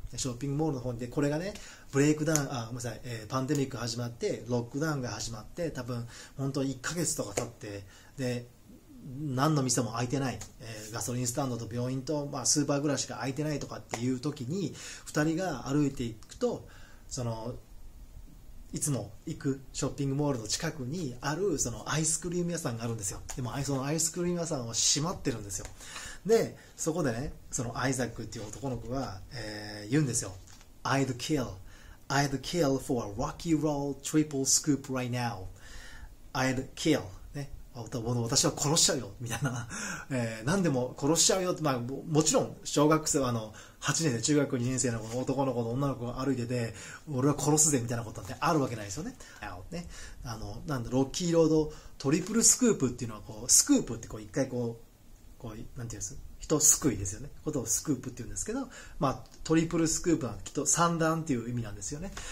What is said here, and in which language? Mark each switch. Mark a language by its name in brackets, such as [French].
[Japanese] ショッピングモールの方で、これがねブレイクダウン、パンデミック始まってロックダウンが始まって、多分本当に1ヶ月とか経って、で何の店も開いてない、ガソリンスタンドと病院と、まあ、スーパーぐらいしか開いてないとかっていう時に、2人が歩いていくと、そのいつも行くショッピングモールの近くにあるそのアイスクリーム屋さんがあるんですよ。でもそのアイスクリーム屋さんは閉まってるんですよ。でそこでね、そのアイザックっていう男の子が、言うんですよ。 [English] I'd kill for a Rocky Roll Triple Scoop right now. I'd kill、 [Japanese] ね、私は殺しちゃうよみたいな、何でも殺しちゃうよって、まあ、もちろん小学生は8年で中学2年生の男の子と女の子が歩いてて、俺は殺すぜみたいなことってあるわけないですよね。なんだ、ロッキーロードトリプルスクープっていうのは、こうスクープってこう一回こう、こうなんていうんです、人すくいですよね、ことをスクープっていうんですけど、まあトリプルスクープはきっと三段っていう意味なんですよね。